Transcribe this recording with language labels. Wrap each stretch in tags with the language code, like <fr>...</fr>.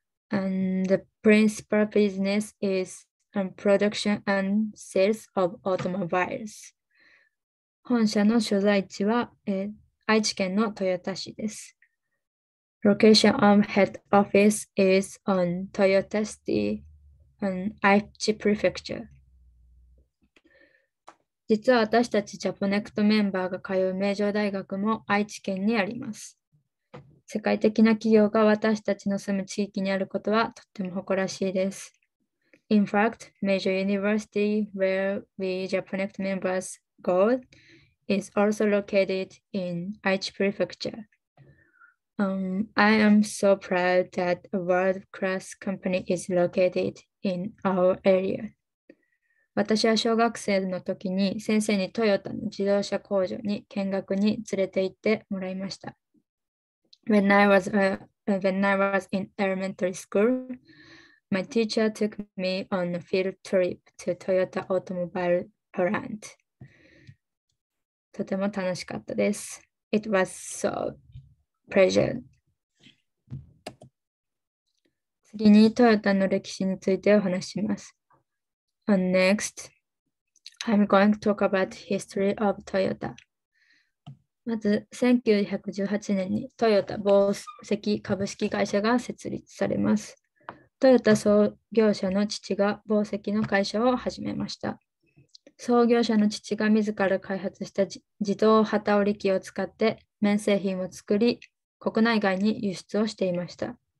<en>And the principal business is production and sales of automobiles.</en> <ja>本社の所在地は愛知県の豊田市です。</ja> <en>Location of head office is on Toyota City, in Aichi Prefecture.</en> <ja>実は私たちジャポネクトメンバーが通う名城大学も愛知県にあります。世界的な企業が私たちの住む地域にあることはとっても誇らしいです。</ja> <en>In fact, Meijo University, where we JapoNext members go, is also located in Aichi Prefecture. I am so proud that a world-class company is located in our area.</en> <ja>私は小学生の時に先生にトヨタの自動車工場に見学に連れて行ってもらいました。</ja> <en>When I was in elementary school, my teacher took me on a field trip to Toyota Automobile Plant.</en> <ja>とても楽しかったです。</ja> <en>It was so pleasure.</en> <ja>次にトヨタの歴史についてお話します。</ja> <en>And next, I'm going to talk about the history of Toyota.</en> <ja>まず1918年にトヨタ紡績株式会社が設立されます。トヨタ創業者の父が紡績の会社を始めました。創業者の父が自ら開発した自動旗織り機を使って綿製品を作り、国内外に輸出をしていました。</ja>